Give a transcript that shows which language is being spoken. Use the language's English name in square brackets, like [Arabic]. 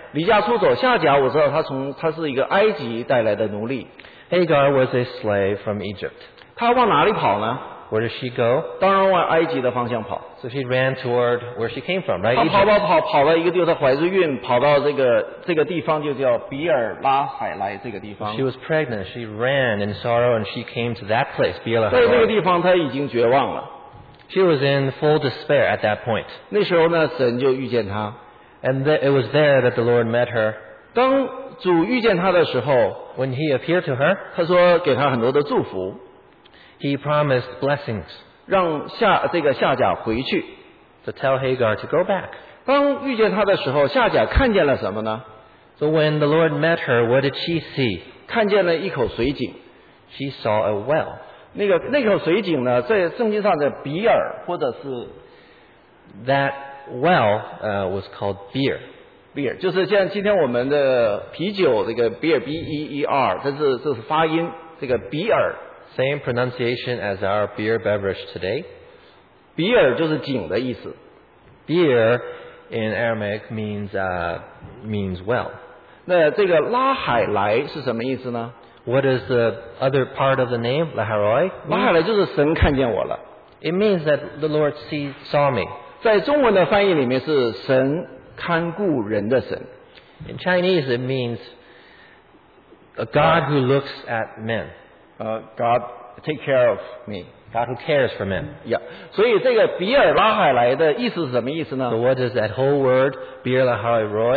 [Chinese] 离家出走。夏甲我知道他是一个埃及带来的奴隶。 [English] Hagar was a slave from Egypt. [Chinese] 他往哪里跑呢？ [English] Where did she go? [Chinese] 当然往埃及的方向跑。 [English] So she ran toward where she came from, right? [Chinese] 跑到一个地方，她怀着孕，跑到这个地方，就叫比尔拉海莱这个地方。 [English] She was pregnant. She ran in sorrow, and she came to that place, Beer Lahai. [Chinese] 在那个地方，她已经绝望了。 [English] She was in full despair at that point. [Chinese] 那时候呢，神就遇见她。 [English] And it was there that the Lord met her. [Chinese] 当主遇见她的时候 [English] ，When He appeared to her, [Chinese] 他说给她很多的祝福。 [English] He promised blessings. [Chinese] 让夏这个夏甲回去。 [English] To tell Hagar to go back. [Chinese] 当遇见他的时候，夏甲看见了什么呢 [English] ？So when the Lord met her, what did she see? [Chinese] 看见了一口水井。 [English] She saw a well. [Chinese] 那口水井呢，在圣经上的比尔或者是 [English] ，that well was called beer. [Chinese] Beer 就是像今天我们的啤酒这个 beer b e e r， 这是发音，这个比尔。 [English] Same pronunciation as our beer beverage today. [Chinese] Beer 就是井的意思。 [English] Beer in Aramaic means well. [Chinese] 那这个拉海莱是什么意思呢 [English] ？What is the other part of the name Laharoi? [Chinese] 拉海莱就是神看见我了。 [English] It means that the Lord saw me. [Chinese] 在中文的翻译里面是神看顾人的神。 [English] In Chinese, it means a God who looks at men. God take care of me. God who cares for men. Yeah. [Chinese] 所以这个比尔拉海莱的意思是什么意思呢 [English] ？So what is that whole word, Beer Lahai Roy?